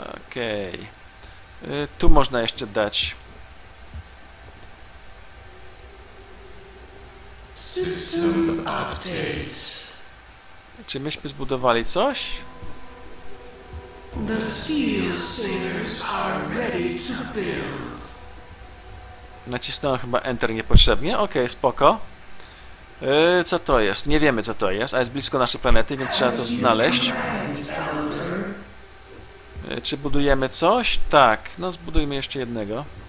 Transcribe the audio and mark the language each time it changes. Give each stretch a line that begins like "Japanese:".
Polish: Okej. Tu można jeszcze dać.
English: System update.
Polish: Czy myśmy zbudowali coś?
English: The steel singers are ready to build.
Polish: Nacisnąłem chyba Enter niepotrzebnie. Okej, okay, spoko. Co to jest? Nie wiemy co to jest, a jest blisko naszej planety, więc trzeba to znaleźć. Czy budujemy coś? Tak, no zbudujmy jeszcze jednego.